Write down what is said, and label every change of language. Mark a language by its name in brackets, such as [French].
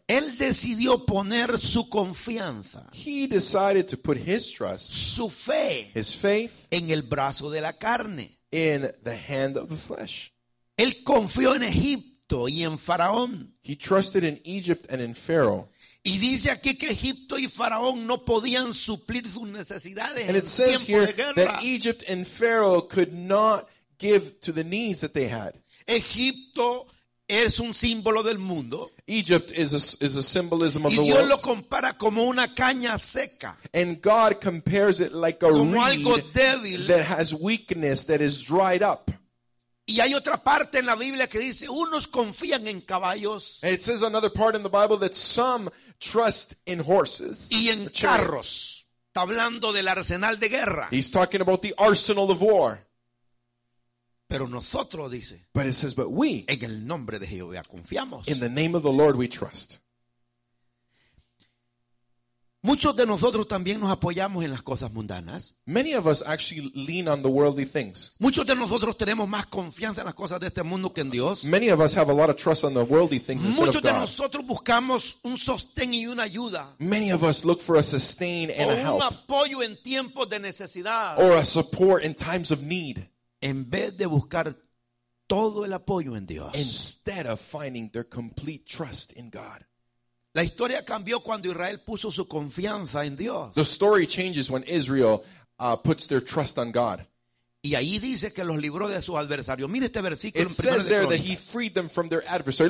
[Spanish] Él decidió poner su confianza. [English] He decided to put his trust. [Spanish] Su fe. [English] His faith. [Spanish] En el brazo de la carne. [English] In the hand of the flesh. [Spanish] Él confió en Egipto. Y en Faraón. [English] He trusted in Egypt and in Pharaoh. [Spanish] Y dice aquí que Egipto y Faraón no podían suplir sus necesidades en tiempo de guerra. [English] And it says here that Egypt and Pharaoh could not give to the needs that they had. [Spanish] Egipto es un símbolo del mundo. [English] Egypt is a symbolism of the world. [Spanish] Y Dios lo compara como una caña seca. [English] And God compares it like a [Spanish] como algo [English] reed [Spanish] débil. [English] That has weakness, that is dried up. [Spanish] Y hay otra parte en la Biblia que dice unos confían en caballos. [English] It says another part in the Bible that some trust in horses. [Spanish] Y en carros. Está hablando del arsenal de guerra. [English] He's talking about the arsenal of war. [Spanish] Pero nosotros, dice. [English] But it says, but we. [Spanish] En el nombre de Jehová confiamos. [English] In the name of the Lord we trust. [Spanish] Muchos de nosotros también nos apoyamos en las cosas mundanas. [English] Many of us actually lean on the worldly things. [Spanish] Muchos de nosotros tenemos más confianza en las cosas de este mundo que en Dios. [English] Many of us have a lot of trust on the worldly things instead of God. [Spanish] Muchos de nosotros buscamos un sostén y una ayuda. [English] Many of us look for a sustain and a help. [Spanish] O un apoyo en tiempos de necesidad. [English] Or a support in times of need. [Spanish] En vez de buscar todo el apoyo en Dios. [English] Instead of finding their complete trust in God. [Spanish] La historia cambió cuando Israel puso su confianza en Dios. [English] The story changes when Israel puts their trust on God. [Spanish] Y ahí dice que los libró de sus adversarios. Mire este versículo en 1 Crónicas. [English] It says there that he freed them from their adversary.